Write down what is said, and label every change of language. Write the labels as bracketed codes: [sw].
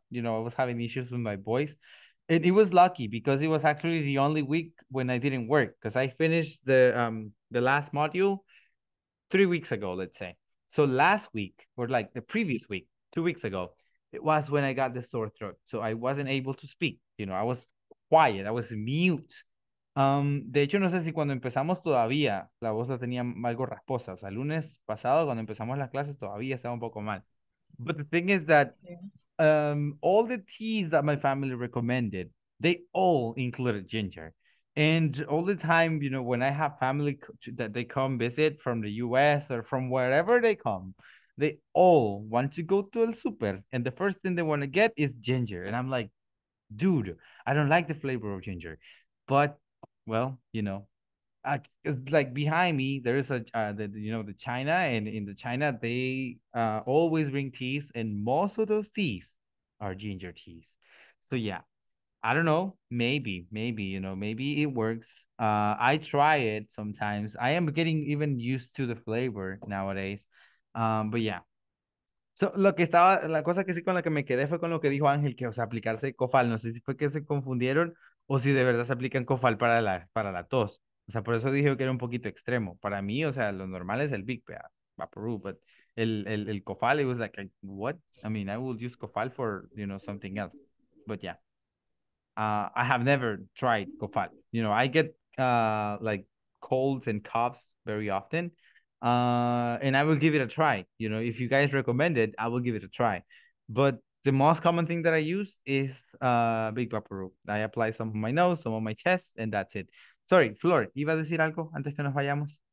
[en] You know, I was having issues with my voice. It was lucky because it was actually the only week when I didn't work, because I finished the last module 3 weeks ago, let's say. So last week, or like the previous week, 2 weeks ago, it was when I got the sore throat. So I wasn't able to speak. You know, I was quiet. I was mute. [es] De hecho, no sé si cuando empezamos todavía la voz la tenía algo rasposa. O sea, el lunes pasado, cuando empezamos las clases, todavía estaba un poco mal. [en] But the thing is that all the teas that my family recommended, they all included ginger. And all the time, you know, when I have family that they come visit from the US or from wherever they come, they all want to go to El Super. And the first thing they want to get is ginger. And I'm like, dude, I don't like the flavor of ginger. But, well, you know, like behind me, there is the China, and in the China, they always bring teas, and most of those teas are ginger teas. So yeah, I don't know, maybe it works. I try it sometimes. I am getting even used to the flavor nowadays. But yeah. [es] So lo que estaba, la cosa que sí con la que me quedé fue con lo que dijo Ángel, que o sea, aplicarse cofal, no sé si fue que se confundieron o si de verdad se aplican cofal para la tos. O sea, por eso dije que era un poquito extremo. Para mí, o sea, lo normal es el Big Vaporu, but el cofal, [en] it was like, what? I mean, I would use cofal for, you know, something else. But yeah, I have never tried cofal. You know, I get like colds and coughs very often. And I will give it a try. You know, if you guys recommend it, I will give it a try. But the most common thing that I use is Big Vaporu. I apply some on my nose, some on my chest, and that's it. Sorry, [es] Flor, ¿iba a decir algo antes que nos vayamos?